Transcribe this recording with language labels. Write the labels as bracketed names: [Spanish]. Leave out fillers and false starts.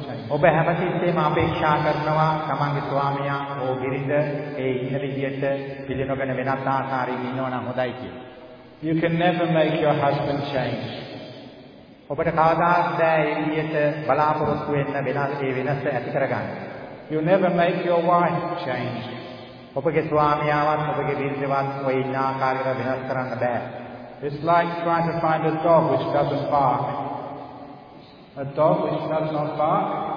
[Sinhala] ඔබ හැමතිස්සෙම අපේක්ෂා කරනවා තමන්ගේ ස්වාමියා හෝ බිරිඳ ඒ ඉන්න විදිහට පිළිනොගෙන වෙනත් ආකාරයෙන් ඉන්නවා නම් හොඳයි කියලා. [English] You can never make your husband change. [Sinhala] ඔබට කවදාවත් බෑ ඒ විදිහට බලාපොරොත්තු වෙන්න වෙනස ඇති කරගන්න. [English] You never make your wife change. [Sinhala] ඔබගේ ස්වාමියාවත් ඔබගේ බිරිඳවත් ඔය ඉන්න ආකාරයට වෙනස් කරන්න බෑ. [English] It's like trying to find a dog which doesn't bark. A dog which does not bark.